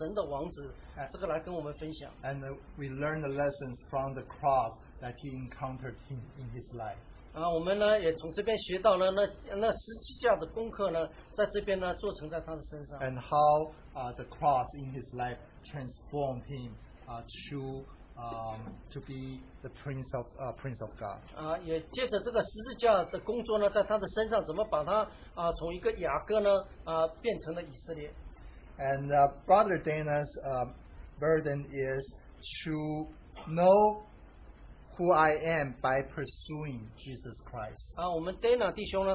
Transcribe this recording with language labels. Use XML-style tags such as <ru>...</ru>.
<zh>我们大卫彭弟兄呢，他所分享的是借着雅各的例子呢，他怎么来跟神摔跤，怎么跟人摔跤，他都胜过了。然后他怎么从雅各呢变成以色列，就是神的王子，这个来跟我们分享。</zh> <en>And we learn the lessons from the cross that he encountered in his life.</en> <zh>我们呢也从这边学到了那十字架的功课呢，在这边呢做成在他的身上。</zh> <en>And how the cross in his life transformed him to be the prince of God.</en> <zh>也借着这个十字架的工作呢，在他的身上怎么把他从一个雅各呢变成了以色列。</zh> <en>And Brother Dana's burden is to know who I am by pursuing Jesus Christ.</en>